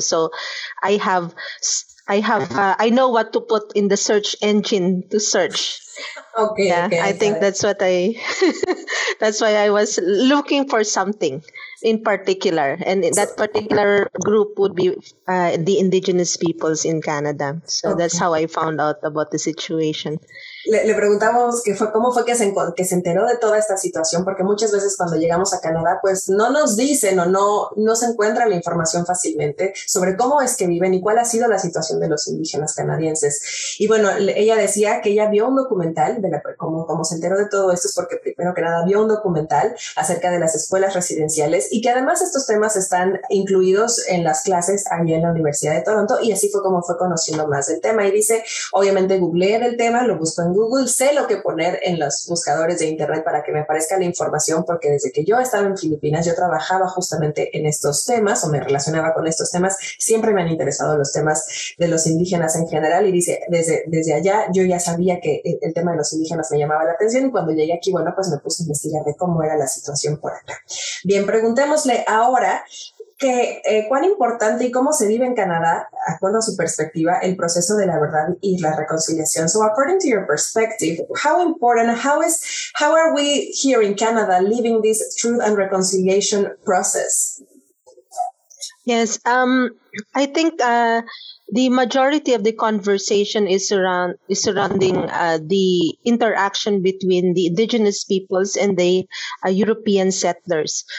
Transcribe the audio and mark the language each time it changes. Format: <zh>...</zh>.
<en>So I know what to put in the search engine to search. Okay. Yeah, okay, I think that's what I, that's why I was looking for something in particular. And that particular group would be the Indigenous peoples in Canada. So that's how I found out about the situation.</en> <es>Le preguntamos cómo fue que se enteró de toda esta situación, porque muchas veces cuando llegamos a Canadá, pues no nos dicen o no se encuentra la información fácilmente sobre cómo es que viven y cuál ha sido la situación de los indígenas canadienses. Y bueno, ella decía que ella vio un documental, cómo se enteró de todo esto es porque primero que nada vio un documental acerca de las escuelas residenciales y que además estos temas están incluidos en las clases allí en la Universidad de Toronto, y así fue como fue conociendo más del tema. Y dice, obviamente googleé del tema, lo busqué en Google, sé lo que poner en los buscadores de internet para que me aparezca la información, porque desde que yo estaba en Filipinas, yo trabajaba justamente en estos temas o me relacionaba con estos temas, siempre me han interesado los temas de los indígenas en general, y dice, desde allá yo ya sabía que el, tema de los indígenas me llamaba la atención y cuando llegué aquí, bueno, pues me puse a investigar de cómo era la situación por acá. Bien, preguntémosle ahora que cuán importante y cómo se vive en Canadá, acuerdo a su perspectiva, el proceso de la verdad y la reconciliación.</es> <en>So according to your perspective, how important, how are we here in Canada living this truth and reconciliation process? Yes, I think the majority of the conversation is around is surrounding the interaction between the indigenous peoples and the European settlers.</en>